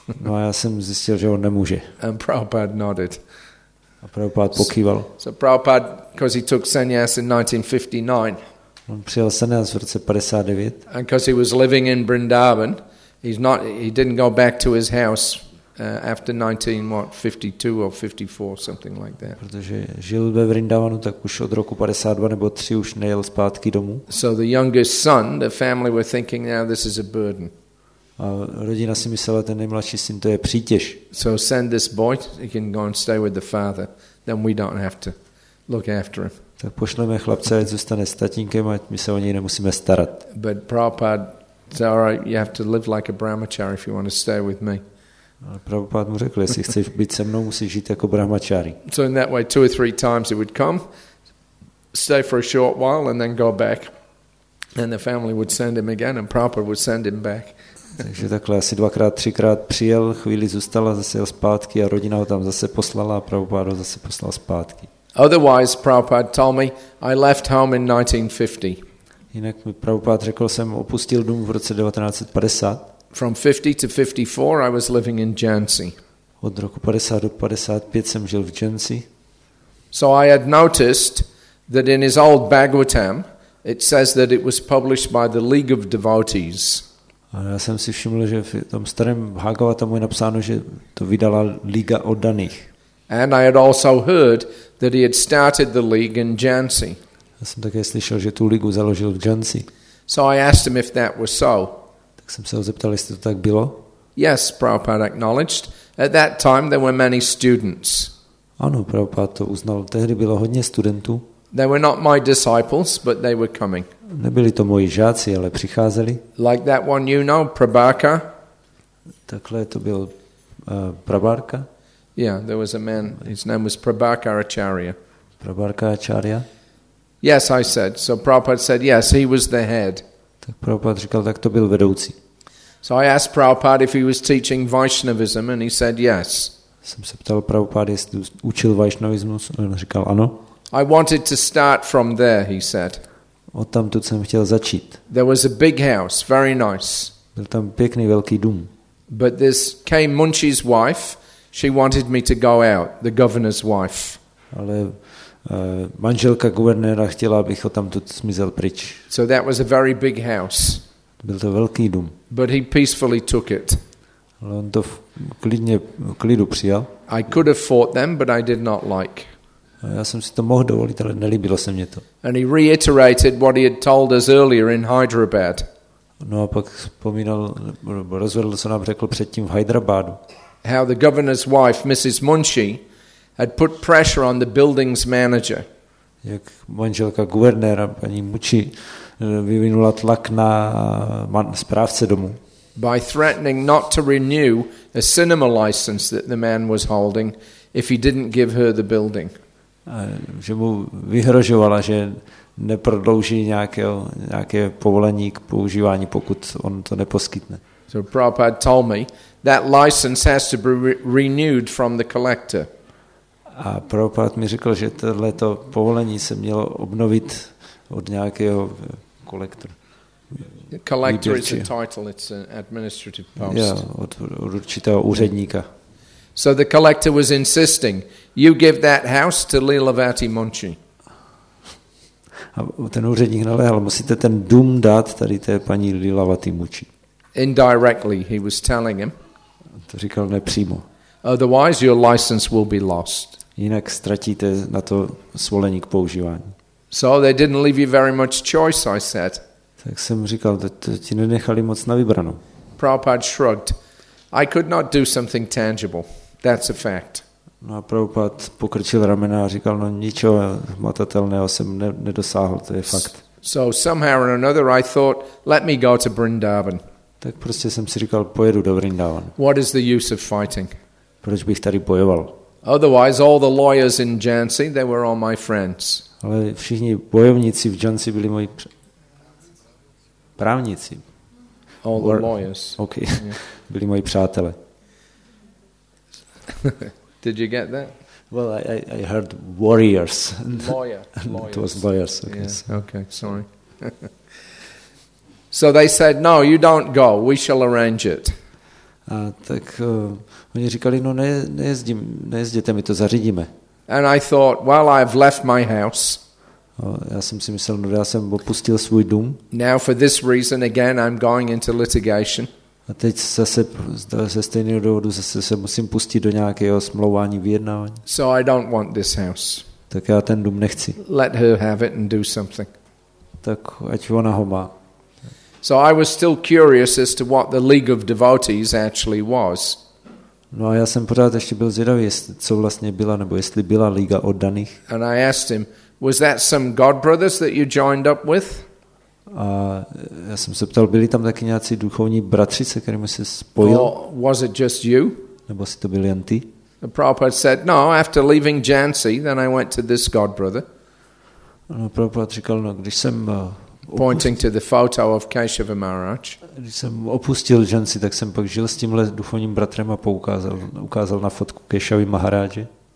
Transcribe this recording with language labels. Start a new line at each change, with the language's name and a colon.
Czech: No a já jsem zjistil, že on nemůže.
English: And Prabhupada nodded.
Czech: A Prabhupada pokýval.
English: So Prabhupada, because he took sannyas in 1959.
Czech: On přijel sannyas v roce 59.
English: And because he was living in Vrindavan, he didn't go back to his house after 1952 or 54, something like that.
Czech: Protože žil ve Vrindavanu, tak už od roku 52 nebo 3 už nejel zpátky domů.
English: So the youngest son, the family were thinking, now this is a burden.
Czech: A rodina si myslela, ten nejmladší syn, to je přítěž.
English: So send this boy, he can go and stay with the father, then we don't have to look after him.
Czech: Tak pošleme chlapce, ať zůstane s tatínkem, ať my se o něj nemusíme starat.
English: But Prabhupada said, all right, you have to live like a brahmachari if you want to stay with me.
Czech: Ale Prabhupada mu řekl, jestli chceš být se mnou, musíš žít jako brahmachari.
English: So in that way, two or three times he would come, stay for a short while and then go back. And the family would send him again and Prabhupada would send him back.
Czech: Takže takhle asi dvakrát, třikrát přijel, chvíli zůstal a zase jel zpátky a rodina ho tam zase poslala a Prabhupada ho zase poslal zpátky.
English: Otherwise, Prabhupada told me, I left home in 1950.
Czech: Jinak mi Prabhupada řekl, jsem opustil dům v roce 1950.
English: From 50 to 54 I was living in Jhansi.
Czech: Od roku 50 do 55 jsem žil v Jhansi.
English: So I had noticed that in his old Bhagavatam, it says that it was published by the League of Devotees.
Czech: A já jsem si všiml, že v tom starém Bhagavatamu je napsáno, že to vydala Liga oddaných.
English: And I had also heard that he had started the league in Jhansi.
Czech: Já jsem také slyšel, že tu ligu založil v Jhansi.
English: So I asked him if that was so.
Czech: Tak jsem se ho zeptal, jestli to tak bylo.
English: Yes, Prabhupada acknowledged. At that time there were many students.
Czech: Ano, Prabhupada to uznal. Tehdy bylo hodně studentů.
English: They were not my disciples, but they were coming.
Czech: Nebyli to moji žáci, ale přicházeli.
English: Like that one you know, Prabhaka.
Czech: Takhle to byl Prabhaka.
English: Yeah, there was a man, his name was Prabhaka Acharya. Prabhaka Acharya? Yes, I said. So Prabhupada said, yes, he was the head.
Czech: Tak Prabhupada říkal, tak to byl vedoucí.
English: So I asked Prabhupada if he was teaching Vaishnavism and he said yes.
Czech: Jsem se ptal Prabhupada, jestli učil Vaishnavismus, on říkal ano.
English: I wanted to start from there, he said.
Czech: Odtamtud jsem chtěl začít.
English: There was a big house, very nice.
Czech: Byl tam pěkný velký dům.
English: But this came Munshi's wife, she wanted me to go out, the governor's wife.
Czech: Ale manželka guvernéra chtěla, abych ho tam tud zmizel pryč.
English: So that was a very big house.
Czech: Byl to velký dům.
English: But he peacefully took it.
Czech: Ale on to klidně, klidu přijal.
English: I could have fought them, but I did not like.
Czech: A já jsem si to mohl dovolit, ale nelíbilo se mě to.
English: And he reiterated what he had told us earlier in Hyderabad.
Czech: No a pak vzpomínal, rozvedl, co nám řekl předtím v Hyderabadu.
English: How the governor's wife, Mrs. Munshi, had put pressure on the building's manager.
Czech: Jak manželka guvernéra, paní Munshi, vyvinula tlak na správce domu.
English: By threatening not to renew a cinema license that the man was holding if he didn't give her the building.
Czech: A že mu vyhrožovala, že neprodlouží nějaké povolení k používání, pokud on to neposkytne.
English: So Prabhupada told me that license has to be renewed from the collector.
Czech: A Prabhupada mi řekl, že tohleto povolení se mělo obnovit od nějakého kolektora.
English: Collector is a title, it's an administrative post.
Czech: Jo, od určitého úředníka.
English: So the collector was insisting, you give that house to Lilavati Munshi.
Czech: A ten úředník naléhal, musíte ten dům dát tady té paní Lilavati Munshi.
English: Indirectly, he was telling him.
Czech: To říkal nepřímo.
English: Otherwise, your license will be lost.
Czech: Jinak ztratíte na to svolení k používání.
English: So they didn't leave you very much choice, I said.
Czech: Tak jsem říkal, to ti nenechali moc na vybranou.
English: Prabhupada shrugged. I could not do something tangible. That's a fact.
Czech: No a Prabhupada pokrčil ramena a říkal, no ničeho hmatatelného jsem nedosáhl, to je fakt.
English: So somehow or another I thought, let me go to Vrindavan.
Czech: Tak prostě jsem si říkal, pojedu do Vrindavan.
English: What is the use of fighting?
Czech: Proč bych tady bojoval?
English: Otherwise all the lawyers in Jhansi, they were all my friends.
Czech: Ale všichni bojovníci v Jhansi byli moji právníci.
English: All the lawyers. Okay. Yeah.
Czech: Byli moji přátelé.
English: Did you get that? Well, I heard warriors. Lawyer. It was lawyers. Okay. Yeah. Okay, sorry. So they said, no, you don't go. We shall arrange it.
Czech: A tak oni říkali, no nejezděte, my to zařídíme.
English: And I thought, well, I've left my house.
Czech: Já jsem si myslel, no, já jsem opustil svůj dům.
English: Now for this reason again I'm going into litigation.
Czech: A teď zase ze stejného důvodu zase se musím pustit do nějakého smlouvání, vyjednávání.
English: So I don't want this house.
Czech: Tak já ten dům nechci.
English: Let her have it and do something.
Czech: Tak ať ona ho má.
English: So I was still curious as to what the League of Devotees actually was.
Czech: No a já jsem pořád ještě byl zvědavý, co vlastně byla, nebo jestli byla Liga oddaných.
English: And I asked him, was that some God brothers that you joined up with?
Czech: A já jsem se ptal, byli tam taky nějací duchovní bratři, se kterými se spojil?
English: Or was it just you?
Czech: Nebo si to byli jen ty?
English: The Prabhupada said, no, after leaving Jhansi, then I went to this God brother.
Czech: No, Prabhupada říkal, no, když jsem
English: pointing to the photo of Keshava Maharaj.
Czech: Když jsem opustil Jhansi, tak jsem pak žil s tímhle duchovním bratrem a ukázal na fotku Keshavy Maharaje.